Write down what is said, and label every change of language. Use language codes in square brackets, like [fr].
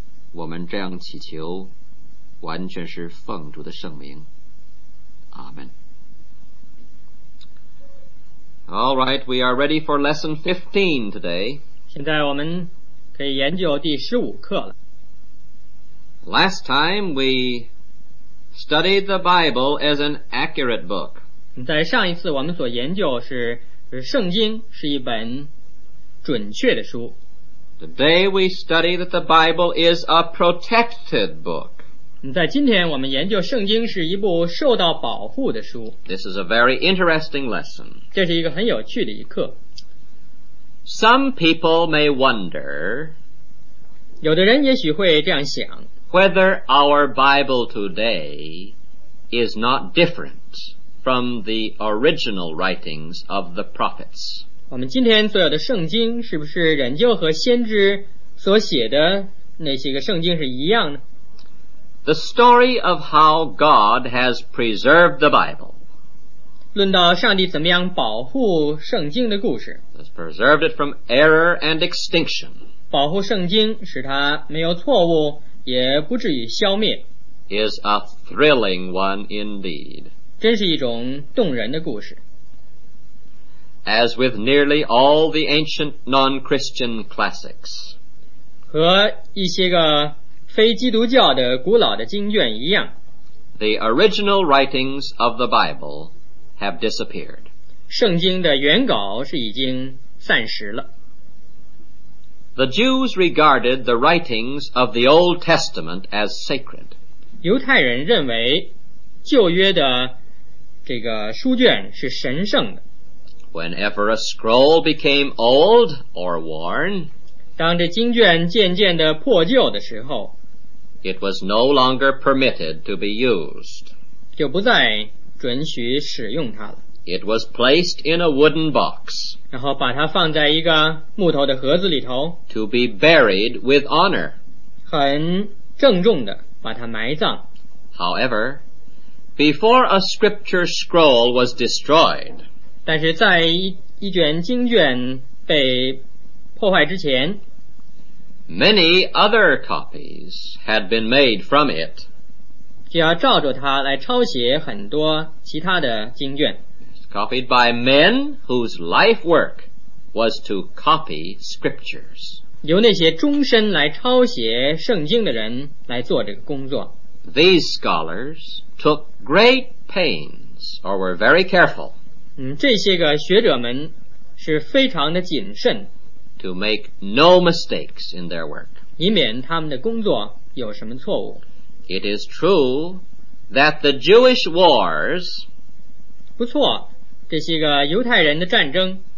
[zh] 我们这样祈求，完全是奉主的圣名，阿们。 [en] All right, we are ready for lesson 15 today. [zh] 现在我们可以研究第十五课了。 [en] Last time we studied the Bible as an accurate book. [zh] 在上一次我们所研究是圣经是一本准确的书。 [en] Today we study that the Bible is a protected book. [zh] 在今天我们研究圣经是一部受到保护的书。 [en] This is a very interesting lesson. [zh] 这是一个很有趣的一课。 [en] Some people may wonder, [zh] 有的人也许会这样想, [en] whether our Bible today is not different from the original writings of the prophets. [zh] 我们今天所有的圣经是不是仍旧和先知所写的那些个圣经是一样呢? [en] The story of how God has preserved the Bible. [zh] 论到上帝怎么样保护圣经的故事 [en] has preserved it from error and extinction. [zh] 保护圣经使它没有错误也不至于消灭 [en] is a thrilling one indeed. [zh] 真是一种动人的故事 [en] As with nearly all the ancient non-Christian classics. [zh] 和一些个非基督教的古老的经卷一样 [en] The original writings of the BibleHave disappeared. [zh] 圣经的原稿是已经散失了。 [en] The Jews regarded the writings of the Old Testament as sacred. [zh] 犹太人认为旧约的这个书卷是神圣的。 [en] Whenever a scroll became old or worn, [zh] 当这经卷渐渐的破旧的时候 [en] it was no longer permitted to be used. [zh] 就不再准许使用它了。 [en] It was placed in a wooden box. [zh] 然后把它放在一个木头的盒子里头。 [en] To be buried with honor. [zh] 很郑重的把它埋葬。 [en] However, before a scripture scroll was destroyed. [zh] 但是在 一卷经卷被破坏之前。 [en] Many other copies had been made from it. [zh] 就要照着它来抄写很多其他的经卷 [en] copied by men whose life work was to copy scriptures [zh] 由那些终身来抄写圣经的人来做这个工作 [en] these scholars took great pains or were very careful [zh] 这些个学者们是非常的谨慎 [en] to make no mistakes in their work [zh] 以免他们的工作有什么错误 [en] It is true that the Jewish wars [zh] 不错这些个犹太人的战争